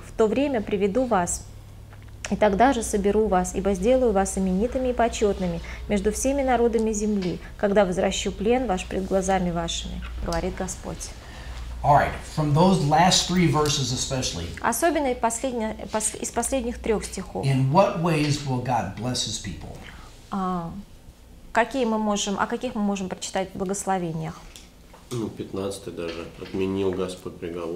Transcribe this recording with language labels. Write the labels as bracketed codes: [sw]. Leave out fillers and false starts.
[ru] В то время приведу вас, и тогда же соберу вас, ибо сделаю вас именитыми и почетными между всеми народами земли, когда возвращу плен ваш пред глазами вашими, говорит Господь. [en] All right. From those last three verses especially, [ru] особенно из последних трех стихов. [en] In what ways will God bless His people? [ru] О каких мы можем прочитать в благословениях? 15 даже. Отменил Господь приговор.